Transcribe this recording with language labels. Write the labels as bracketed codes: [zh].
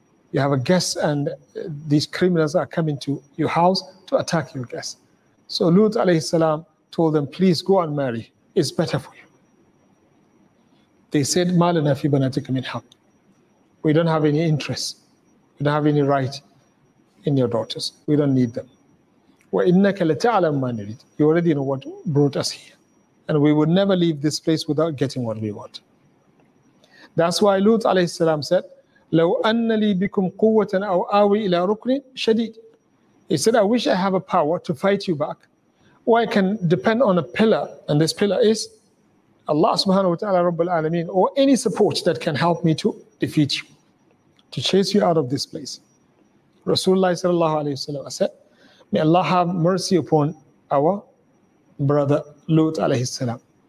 [en] You have a guest, and these criminals are coming to your house to attack your guest. So Lut alayhi salam told them, please go and marry. It's better for you. They said, [ar] مَا لَنَا فِي بَنَاتِكَ مِنْ حَقٍ. [en] We don't have any interest. We don't have any right in your daughters. We don't need them. [ar] وَإِنَّكَ لَتَعْلَمْ مَا نِرِيدْ. [en] You already know what brought us here. And we would never leave this place without getting what we want. That's why Lut alayhi salam said, [ar] لَوْ أَنَّ لِي بِكُمْ قُوَّةً أَوْ آوِي إِلَىٰ رُكْنٍ شَدِيدٍ. [en] He said, I wish I have a power to fight you back. Or I can depend on a pillar. And this pillar is Allah subhanahu wa ta'ala, Rabbul Alameen, or any support that can help me to defeat you, to chase you out of this place. Rasulullah sallallahu alayhi wa sallam said, may Allah have mercy upon our brother Lut alayhi salam.